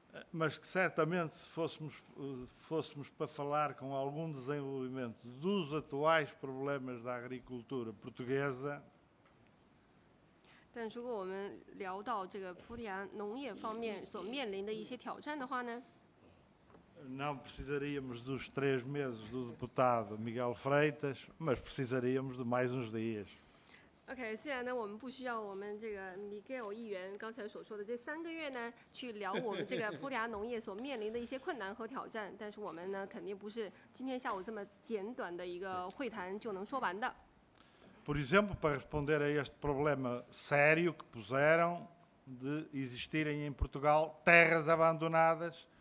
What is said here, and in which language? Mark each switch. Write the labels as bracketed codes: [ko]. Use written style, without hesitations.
[pt] Mas que certamente se fôssemos para falar com algum desenvolvimento dos atuais problemas da agricultura portuguesa, [zh] 但如果我们聊到这个葡萄牙农业方面所面临的一些挑战的话呢？ [pt] Não precisaríamos dos 3 meses do deputado Miguel Freitas, mas precisaríamos de mais uns dias. [zh] Ok, 虽然呢，我们不需要我们这个Miguel议员刚才所说的这3个月呢，去聊我们这个葡萄牙农业所面临的一些困难和挑战，但是我们呢，肯定不是今天下午这么简短的一个会谈就能说完的。 [pt] Por exemplo, para responder a este problema sério que puseram de existirem em Portugal terras abandonadas.